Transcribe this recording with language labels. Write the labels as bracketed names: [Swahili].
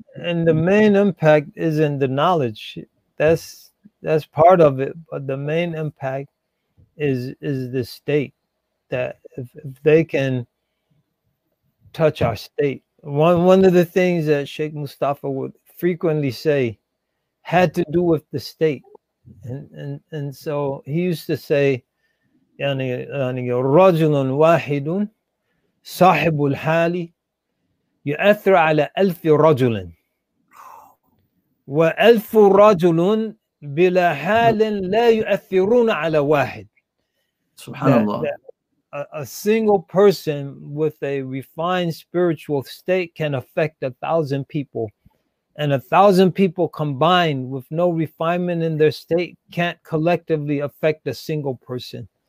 [English] And the main impact is in the knowledge. That's part of it, but the main impact is the state. That if they can touch our state. One of the things that Sheikh Mustafa would frequently say had to do with the state. And so he used to say, [Arabic] yani rajulun wahidun صاحب الحالي يؤثر على ألف رجل وألف رجل بلا حال لا يؤثرون على واحد. Subhanallah. [English] A single person with a refined spiritual state can affect 1,000 people, and 1,000 people combined with no refinement in their state can't collectively affect a single person.